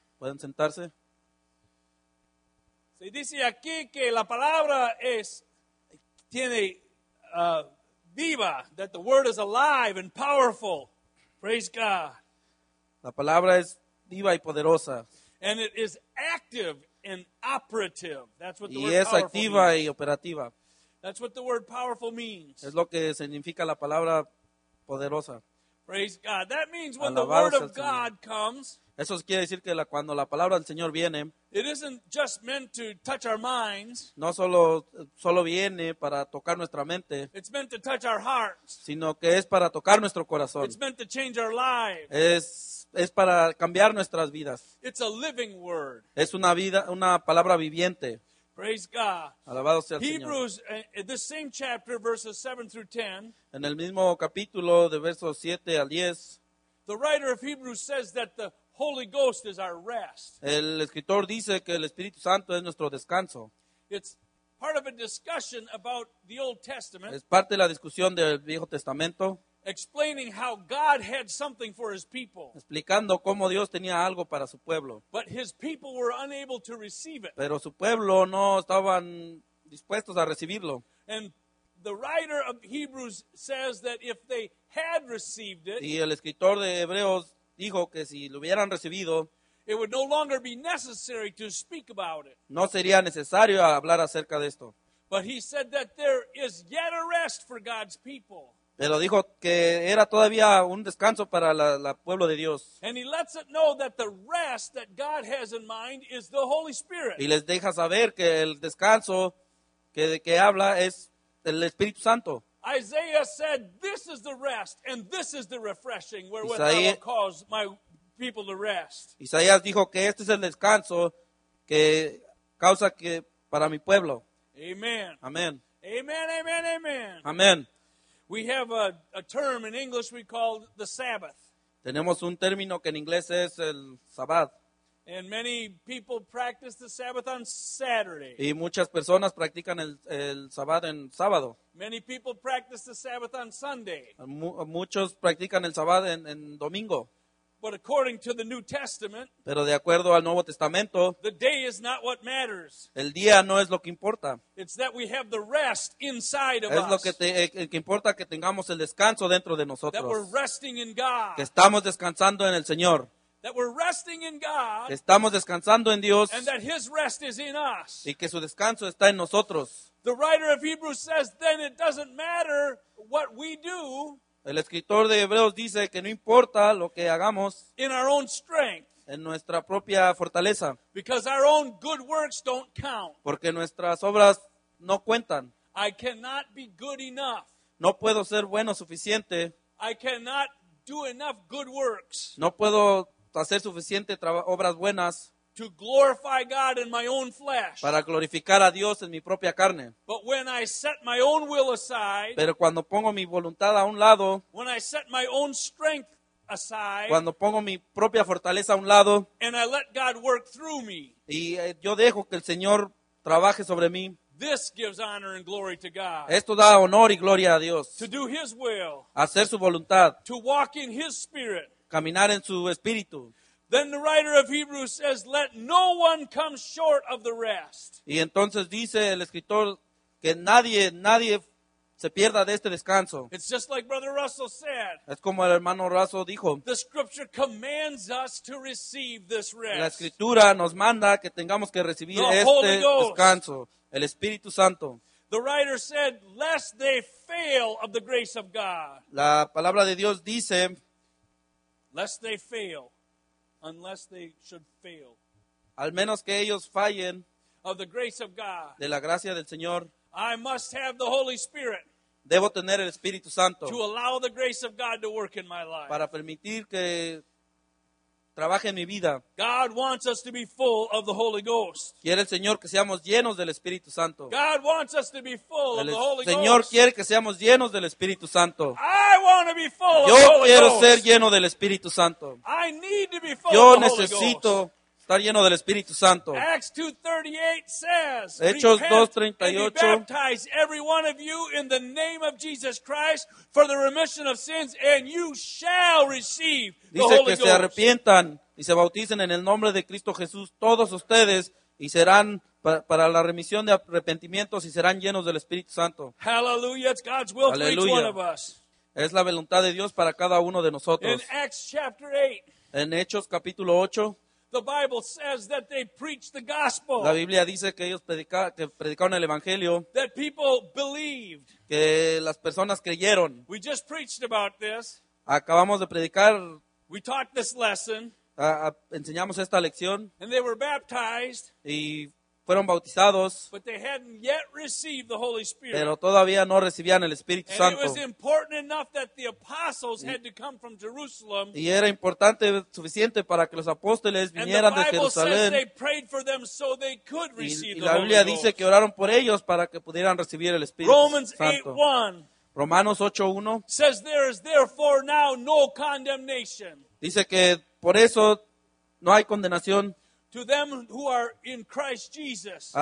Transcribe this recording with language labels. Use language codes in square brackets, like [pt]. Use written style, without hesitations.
[es] Pueden sentarse. Se dice aquí que la palabra es tiene viva, [en] that the word is alive and powerful. Praise God. [es] La palabra es viva y poderosa. [en] And it is active and operative. That's what the [es] y [en] word [es] es [en] powerful [es] activa [en] means. [es] Y operativa. [en] That's what the word powerful means. [es] Es lo que significa la palabra poderosa. [en] Praise God. That means when [es] alabado [en] the word of God comes. [es] Eso quiere decir que cuando la palabra del Señor viene, [en] it isn't just meant to touch our minds, [es] no solo viene para tocar nuestra mente, [en] it's meant to touch our hearts, [es] sino que es para tocar nuestro corazón. [en] It's meant to change our lives. [es] Es para cambiar nuestras vidas. [en] It's a living word. [es] Es una palabra viviente. [en] Praise God. [es] Alabado sea el [en] Hebrews, [es] Señor. [en] This same chapter, verses 7 through 10. [es] En el mismo capítulo de versos 7 al 10. [en] The writer of Hebrews says that the Holy Ghost is our rest. [es] El escritor dice que el Espíritu Santo es nuestro descanso. [en] It's part of a discussion about the Old Testament. [es] Es parte de la discusión del Viejo Testamento. [en] Explaining how God had something for his people. [es] Explicando cómo Dios tenía algo para su pueblo. [en] But his people were unable to receive it. [es] Pero su pueblo no estaban dispuestos a recibirlo. [en] And the writer of Hebrews says that if they had received it, [es] y el escritor de Hebreos dijo que si lo hubieran recibido, [en] it would no longer be necessary to speak about it. [es] No sería necesario hablar acerca de esto. [en] But he said that there is yet a rest for God's people. [es] Pero dijo que era todavía un descanso para la pueblo de Dios. [en] And he lets it know that the rest that God has in mind is the Holy Spirit. [es] Y les deja saber que el descanso que habla es el Espíritu Santo. [en] Isaiah said, "This is the rest, and this is the refreshing wherewith I will cause my people to rest." [es] Isaías dijo que este es el descanso que causa que para mi pueblo. Amen. Amen. Amen. Amen. Amen. Amen. [en] We have a term in English we call the Sabbath. [es] Tenemos un término que en inglés es el Sabbath. [en] And many people practice the Sabbath on Saturday. [es] Y muchas personas practican el sábado en sábado. [en] Many people practice the Sabbath on Sunday. [es] Muchos practican el sábado en domingo. [en] But according to the New Testament, [es] pero de acuerdo al Nuevo Testamento, [en] the day is not what matters. [es] El día no es lo que importa. [en] It's that we have the rest inside of [es] us. Es lo [en] us. [es] Que importa que tengamos el descanso dentro de nosotros. [en] That we're resting in God. [es] Que estamos descansando en el Señor. [en] That we're resting in God. [es] Estamos descansando en Dios. [en] And that His rest is in us. [es] Y que su descanso está en nosotros. [en] The writer of Hebrews says, then it doesn't matter what we do. [es] El escritor de Hebreos dice que no importa lo que hagamos. [en] In our own strength. [es] En nuestra propia fortaleza. [en] Because our own good works don't count. [es] Porque nuestras obras no cuentan. [en] I cannot be good enough. [es] No puedo ser bueno suficiente. [en] I cannot do enough good works. [es] No puedo hacer suficiente obras buenas. [en] To glorify God in my own flesh. [es] Para glorificar a Dios en mi propia carne. [en] But when I set my own will aside. [es] Pero cuando pongo mi voluntad a un lado. [en] When I set my own strength aside. [es] Cuando pongo mi propia fortaleza a un lado. [en] And I let God work through me. [es] Y yo dejo que el Señor trabaje sobre mí. [en] This gives honor and glory to God. [es] Esto da honor y gloria a Dios. [en] To do His will. [es] Hacer su voluntad. [en] To walk in His Spirit. [es] Caminar en su espíritu. [en] Then the writer of Hebrews says, "Let no one come short of the rest." [es] Y entonces dice el escritor que nadie se pierda de este descanso. [en] It's just like Brother Russell said. [es] Es como el hermano Russell dijo. [en] The Scripture commands us to receive this rest. [es] La escritura nos manda que tengamos que recibir este descanso, el Espíritu Santo. [en] The writer said, "Lest they fail of the grace of God." [es] La palabra de Dios dice, [en] "Lest they fail." Unless they should fail. [es] Al menos que ellos fallen. [en] Of the grace of God. [es] De la gracia del Señor. [en] I must have the Holy Spirit. [es] Debo tener el Espíritu Santo. [en] To allow the grace of God to work in my life. [es] Para permitir que trabaje en mi vida. [en] God wants us to be full of the Holy Ghost. [es] Quiere el Señor que seamos llenos del Espíritu Santo. [en] God wants us to be full of the Holy Ghost. [es] El Señor quiere que seamos llenos del Espíritu Santo. [en] I want to be full [es] Yo [en] of the Holy Ghost. [es] Yo quiero ser lleno del Espíritu Santo. [en] I need to be full [es] Yo [en] of the Holy [es] necesito [en] Ghost. [es] Necesito estar lleno del Espíritu Santo. [en] Acts 2:38 says, [es] Hechos 2:38 [en] and be baptized every one of you in the name of Jesus Christ for the remission of sins and you shall receive [es] Dice que se arrepientan y se bauticen en el nombre de Cristo Jesús todos ustedes y serán para la remisión de arrepentimientos y serán llenos del Espíritu Santo. [en] Hallelujah, it's God's will Hallelujah. For each one of us. [es] Es la voluntad de Dios para cada uno de nosotros. [en] In Acts chapter 8, [es] en Hechos capítulo 8, [en] the Bible says that they preached the gospel. [es] La Biblia dice que ellos predicaron el Evangelio. [en] That people believed. [es] Que las personas creyeron. [en] We just preached about this. [es] Acabamos de predicar. [en] We taught this lesson. [es] Enseñamos esta lección. [en] And they were baptized. [es] Y fueron bautizados. [en] But they hadn't yet received the Holy Spirit. [es] Pero todavía no recibían el Espíritu Santo. [en] And it was important enough that the apostles had to come from Jerusalem. [es] Y era importante suficiente para que los apóstoles vinieran de Jerusalén. [en] And the Bible says they prayed for them so they could receive the Holy Ghost. [es] Y la Biblia dice que oraron por ellos para que pudieran recibir el Espíritu [en] Romans [es] Santo. [en] Romans 8:1. [es] Romanos 8:1 [en] says there is therefore now no condemnation. [es] Dice que por eso no hay condenación. [en] To them who are in Christ Jesus.